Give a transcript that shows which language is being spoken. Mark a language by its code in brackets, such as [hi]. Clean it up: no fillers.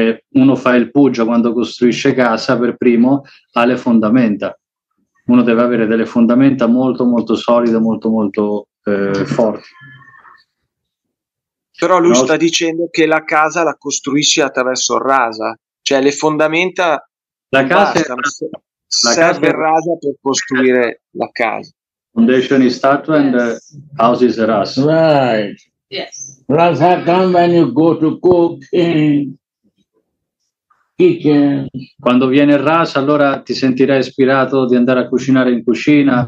[it] Uno fa il puja quando costruisce casa, per primo ha le fondamenta, uno deve avere delle fondamenta molto molto solide, molto molto forti. Però lui sta dicendo che la casa la costruisci attraverso il rasa, cioè le fondamenta, la casa è... la serve casa... il rasa per costruire la casa. [en] Foundation is statue and the house is ras. Right. Yes. Rasa come when you go to cook in kitchen. [it] Quando viene il ras, allora ti sentirai ispirato di andare a cucinare in cucina,